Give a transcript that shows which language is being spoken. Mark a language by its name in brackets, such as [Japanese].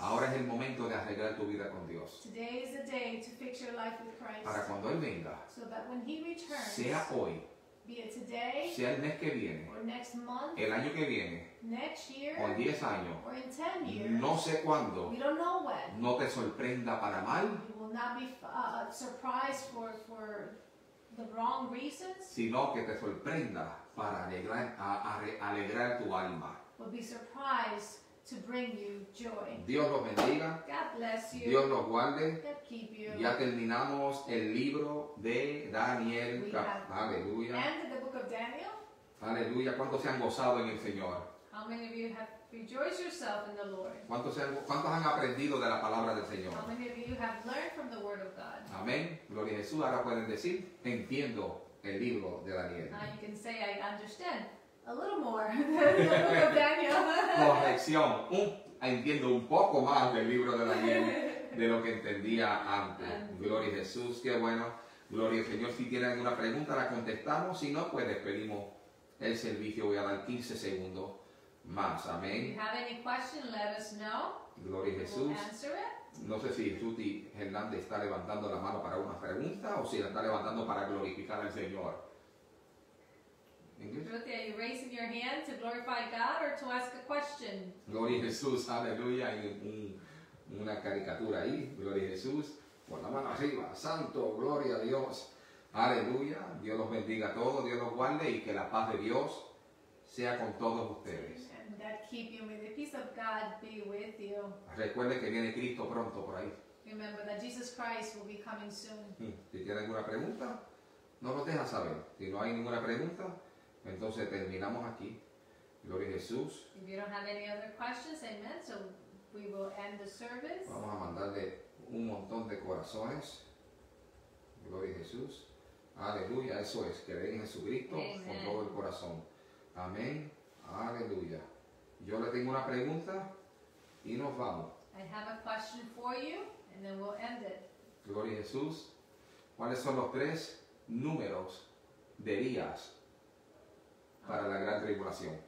[Spanish] Ahora es el momento de arreglar tu vida con Dios. [English] Today is the day to fix your life with Christ. [Spanish] Para cuando Él venga. [English] So that when he returns, [Spanish] sea hoy. [English] be it today, [Spanish] sea el mes que viene, [English] or next month, [Spanish] el año que viene, [English] next year, [Spanish] o en 10 años, [English] or in 10 years, [Spanish] no sé cuándo, [English] we don't know when, [Spanish] no te sorprenda para mal, [English] you will not be surprised for the wrong reasons, [Spanish] sino que te sorprenda para alegrar tu alma, [English] but be surprised to bring you joy. [Spanish] Dios los bendiga. [English] God bless you. [Spanish] Dios los guarde. [English] God keep you. [Spanish] Ya terminamos el libro de Daniel. Aleluya. [English] And the book of Daniel. [Spanish] Aleluya. ¿Cuántos se han gozado en el Señor? [English] How many of you have rejoiced yourself in the Lord? [Spanish] ¿Cuántos han aprendido de la palabra del Señor? [English] How many of you have learned from the word of God? [Spanish] Amén. Gloria a Jesús. Ahora pueden decir, entiendo el libro de Daniel. [English] Now you can say, I understand. A little more. The book of Daniel. [Spanish] Corrección. Entiendo un poco más del libro de Daniel de lo que entendía antes. Gloria a Jesús. Qué bueno. Gloria al Señor. Si tienen alguna pregunta, la contestamos. Si no, pues despedimos el servicio. Voy a dar 15 segundos más. Amén. [English] If you have any question, let us know. [Spanish] Gloria a Jesús. [English] We'll answer it. [Spanish] No sé si Ruti Hernández está levantando la mano para una pregunta o si la está levantando para glorificar al Señor. [English] Ruth, are you raising your hand to glorify God or to ask a question? [Spanish] Gloria a Jesús, aleluya. Hay una caricatura ahí. Gloria a Jesús. Por la mano arriba. Santo, gloria a Dios. Aleluya. Dios los bendiga a todos. Dios los guarde y que la paz de Dios sea con todos ustedes. [English] And that keep you with the peace of God be with you. [Spanish] Recuerde que viene Cristo pronto por ahí. [English] Remember that Jesus Christ will be coming soon. [Spanish] Si tiene alguna pregunta, no lo deja saber. Si no hay ninguna pregunta, entonces terminamos aquí. Gloria a Jesús. [English] If you don't have any other questions, amen. So we will end the service. [Spanish] Vamos a mandarle un montón de corazones. Gloria a Jesús. Aleluya. Eso es. Creer en Jesucristo con todo el corazón. Amén. Aleluya. Yo le tengo una pregunta y nos vamos. [English] I have a question for you and then we'll end it. [Spanish] Gloria a Jesús. ¿Cuáles son los tres números de días para la gran tribulación?